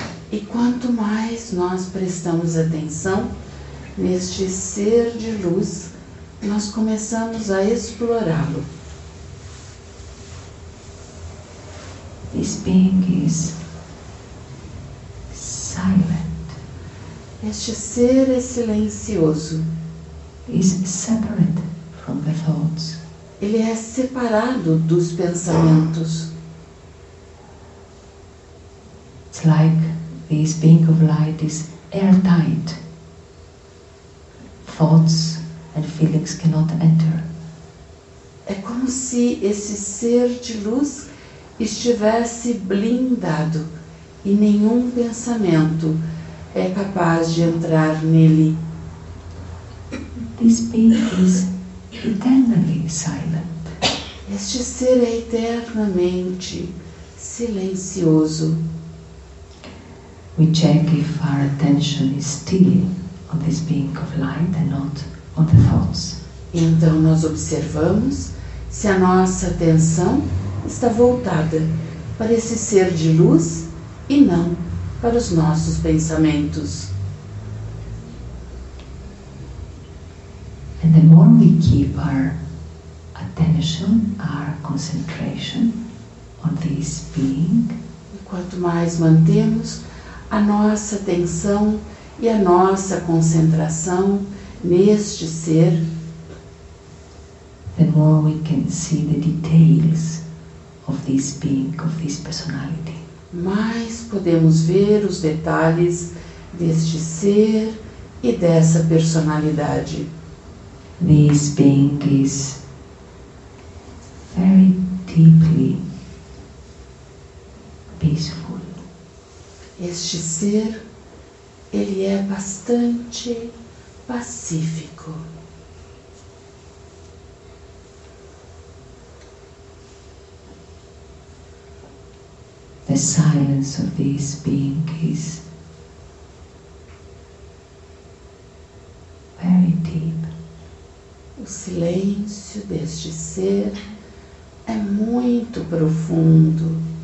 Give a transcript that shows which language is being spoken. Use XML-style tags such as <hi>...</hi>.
<pt>E quanto mais nós prestamos atenção neste ser de luz, nós começamos a explorá-lo.</pt> <en>This being is silent.</en> <pt>Este ser é silencioso.</pt> <en>Is separate from the thoughts.</en> <pt>Ele é separado dos pensamentos.</pt> <en>It's like this being of light is airtight. Thoughts and feelings cannot enter.</en> <pt>É como se esse ser de luz estivesse blindado e nenhum pensamento é capaz de entrar nele.</pt> <en>This being is eternally silent.</en> <pt>Este ser é eternamente silencioso.</pt> <en>We check if our attention is still on this being of light and not on the thoughts.</en> <pt>Então nós observamos se a nossa atenção está voltada para esse ser de luz e não para os nossos pensamentos.</pt> <en>And the more we keep our attention, our concentration on this being,</en> <pt>e quanto mais mantemos a nossa atenção e a nossa concentração neste ser,</pt> <en>the more we can see the details of this being, of this personality.</en> <pt>Mais podemos ver os detalhes deste ser e dessa personalidade.</pt> <en>This being is very deeply peaceful.</en> <pt>Este ser, ele é bastante pacífico.</pt> <en>The silence of this being is very deep.</en> <pt>O silêncio deste ser é muito profundo.</pt>